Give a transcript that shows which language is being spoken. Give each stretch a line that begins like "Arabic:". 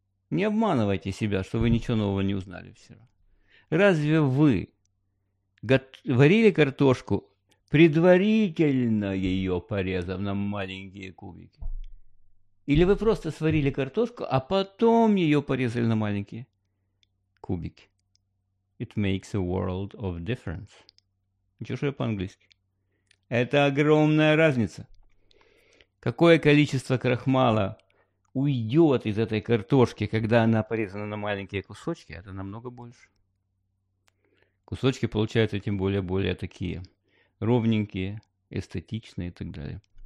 Russian: Не обманывайте себя, что вы ничего нового не узнали вчера. Разве вы варили картошку, предварительно ее порезав на маленькие кубики? Или вы просто сварили картошку, а потом ее порезали на маленькие кубики.
English: It makes a world of difference.
Russian: Ничего, что я по-английски. Это огромная разница. Какое количество крахмала уйдет из этой картошки, когда она порезана на маленькие кусочки, это намного больше. Кусочки получаются тем более такие ровненькие, эстетичные и так далее.